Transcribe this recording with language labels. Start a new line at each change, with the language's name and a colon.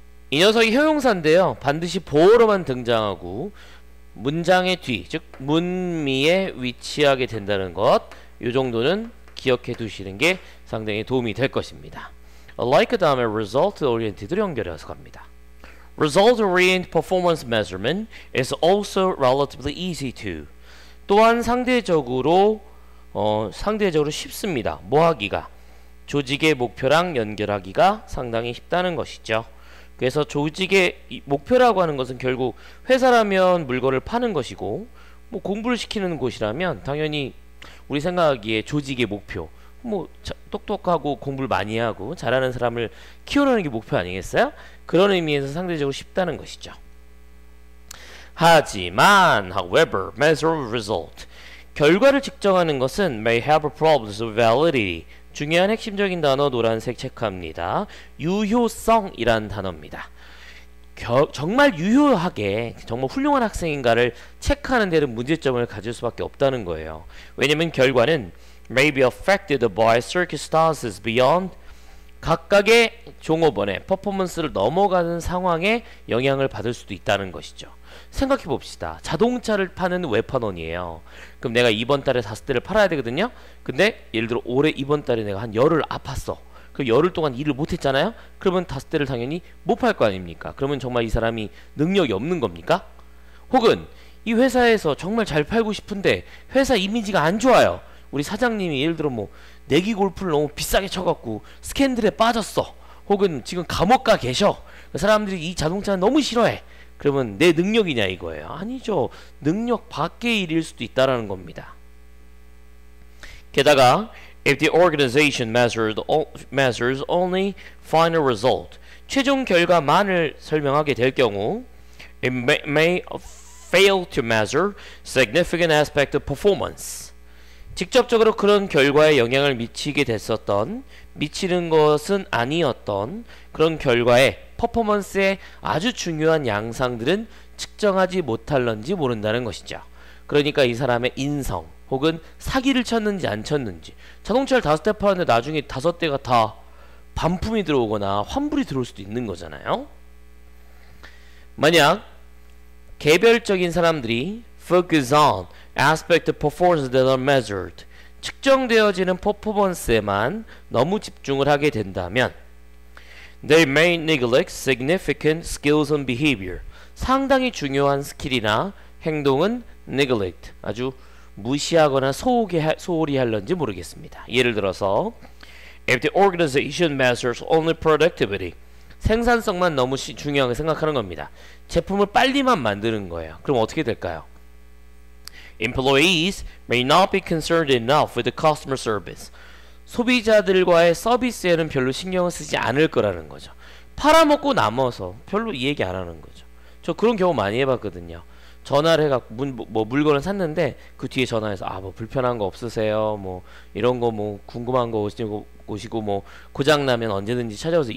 Korean: 이 녀석이 형용사인데요, 반드시 보어로만 등장하고 문장의 뒤, 즉 문미에 위치하게 된다는 것, 요 정도는 기억해 두시는 게 상당히 도움이 될 것입니다. alike 다음에 result oriented로 연결해서 갑니다.
English: Result-oriented performance measurement is also relatively easy to.
Korean: 또한 상대적으로 쉽습니다. 뭐 하기가? 조직의 목표랑 연결하기가 상당히 쉽다는 것이죠. 그래서 조직의 목표라고 하는 것은 결국 회사라면 물건을 파는 것이고, 뭐 공부를 시키는 곳이라면 당연히 우리 생각하기에 조직의 목표, 뭐 똑똑하고 공부를 많이 하고 잘하는 사람을 키우는 게 목표 아니겠어요? 그런 의미에서 상대적으로 쉽다는 것이죠. 하지만,
English: however, measure result.
Korean: 결과를 측정하는 것은
English: may have problems of validity.
Korean: 중요한 핵심적인 단어 노란색 체크합니다. 유효성이란 단어입니다. 정말 유효하게, 정말 훌륭한 학생인가를 체크하는 데는 문제점을 가질 수밖에 없다는 거예요. 왜냐면 결과는
English: may be affected by circumstances beyond
Korean: 각각의 종업원의 퍼포먼스를 넘어가는 상황에 영향을 받을 수도 있다는 것이죠. 생각해 봅시다. 자동차를 파는 외판원이에요. 그럼 내가 이번 달에 다섯 대를 팔아야 되거든요. 근데 예를 들어 올해 이번 달에 내가 한 열을 아팠어. 그 열흘 동안 일을 못했잖아요. 그러면 다섯 대를 당연히 못 팔 거 아닙니까? 그러면 정말 이 사람이 능력이 없는 겁니까? 혹은 이 회사에서 정말 잘 팔고 싶은데 회사 이미지가 안 좋아요. 우리 사장님이 예를 들어 뭐 내기 골프를 너무 비싸게 쳐갖고 스캔들에 빠졌어. 혹은 지금 감옥가 계셔. 사람들이 이 자동차는 너무 싫어해. 그러면 내 능력이냐 이거예요. 아니죠. 능력 밖의 일일 수도 있다라는 겁니다. 게다가
English: If the organization measures only final result,
Korean: 최종 결과만을 설명하게 될 경우
English: It may fail to measure significant aspect of performance.
Korean: 직접적으로 그런 결과에 영향을 미치게 됐었던 미치는 것은 아니었던 그런 결과에 퍼포먼스의 아주 중요한 양상들은 측정하지 못할런지 모른다는 것이죠. 그러니까 이 사람의 인성 혹은 사기를 쳤는지 안 쳤는지 자동차를 다섯 대 팔았는데 나중에 다섯 대가 다 반품이 들어오거나 환불이 들어올 수도 있는 거잖아요. 만약 개별적인 사람들이
English: focus on aspect of performance that are measured
Korean: 측정되어지는 퍼포먼스에만 너무 집중을 하게 된다면
English: They may neglect significant skills and behavior
Korean: 상당히 중요한 스킬이나 행동은 neglect 아주 무시하거나 소홀히 할런지 모르겠습니다. 예를 들어서
English: If the organization measures only productivity
Korean: 생산성만 너무 중요하게 생각하는 겁니다. 제품을 빨리만 만드는 거예요. 그럼 어떻게 될까요?
English: Employees may not be concerned enough with the customer service.
Korean: 소비자들과의 서비스에는 별로 신경을 쓰지 않을 거라는 거죠. 팔아먹고 남아서 별로 이 얘기 안 하는 거죠. 저 그런 경우 많이 해봤거든요. 전화를 해갖고 뭐 물건을 샀는데 그 뒤에 전화해서 아 뭐 불편한 거 없으세요? 뭐 이런 거 뭐 궁금한 거 오시고 뭐 고장 나면 언제든지 찾아오세요.